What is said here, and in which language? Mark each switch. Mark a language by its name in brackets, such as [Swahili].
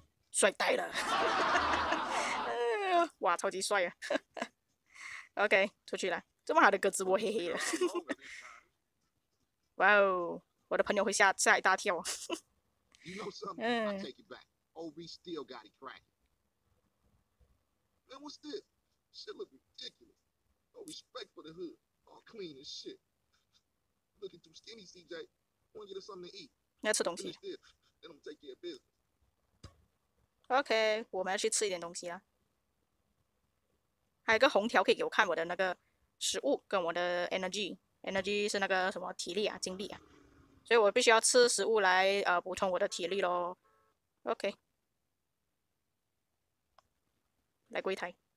[Chinese] 帅呆了，哇，超级帅啊。 OK， 出去了，这么好的鸽子窝，嘿嘿的。哇哦，我的朋友会吓一大跳。 [English] You know something? I take it back. OB still got it cracking. Man, what's this? Shit look ridiculous. No respect for the hood. All clean and shit. Looking too skinny, CJ. I want you to get something to eat. [Chinese] 要吃东西。 [English] Then I'm taking care of business. [Chinese] OK, 我们要去吃一点东西啦。还有个红条可以给我看我的那个食物跟我的 energy。 Energy 是那个什么体力啊，精力啊。所以我必须要吃食物来补充我的体力咯。 OK， 来柜台。